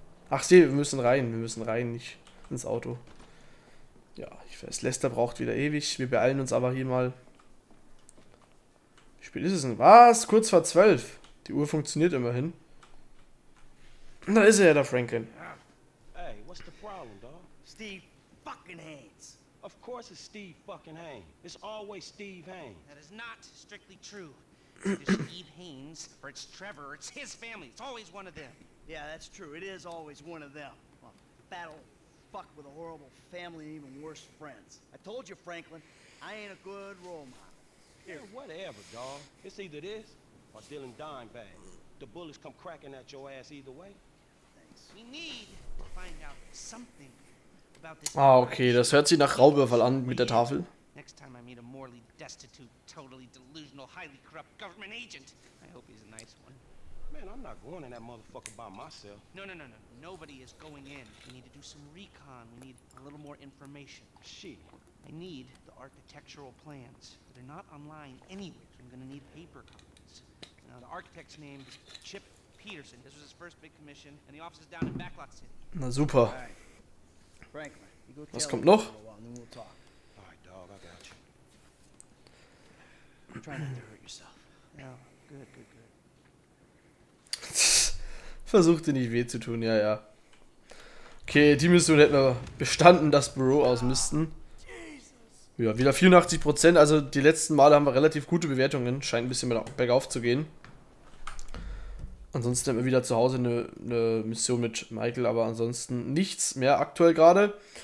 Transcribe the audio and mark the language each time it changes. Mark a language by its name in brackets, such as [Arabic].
[German] Ach sieh, wir müssen rein, nicht ins Auto. Ja, ich weiß, Lester braucht wieder ewig. Wir beeilen uns aber hier mal. Wie spät ist es denn? Was? Kurz vor 12. Die Uhr funktioniert immerhin. Und da ist er ja, der Franklin. [English] Hey, what's the problem, dog? Steve fucking Haynes. Of course it's Steve fucking Haynes. It's always Steve Haynes. That is not strictly true. It's Steve Haynes, or it's Trevor, or it's his family. It's always one of them. Yeah, that's true. It is always one of them. Well, battle. Fuck with a horrible family and even worse friends. I told you, Franklin, I ain't a good role model. Yeah, whatever, dog. It's either this or dealing dime bags. The bullets come cracking at your ass either way. Thanks. We need to find out something about this. [German] Ah, okay, das hört sich nach Raubüberfall an mit der Tafel. [English] Next time I meet a morally destitute, totally delusional, highly corrupt government agent. I hope he's a nice one. Man, I'm not going in that motherfucker by myself. No. Nobody is going in. We need to do some recon. We need a little more information. Shit. I need the architectural plans. They're not online anywhere, so I'm going to need paper copies. Now, the architect's name is Chip Peterson. This was his first big commission, and the office is down in Backlot City. [German] Na super. [English] Franklin, you go tell him for a while, and then we'll talk. All right, dog, I got you. I'm trying not to hurt yourself. Yeah, good. [German] Versuch dir nicht weh zu tun, ja. Okay, die Mission hätten wir bestanden, das Büro ausmisten. Ja, wieder 84%, also die letzten Male haben wir relativ gute Bewertungen. Scheint ein bisschen bergauf zu gehen. Ansonsten hätten wir wieder zu Hause eine Mission mit Michael, aber ansonsten nichts mehr aktuell gerade.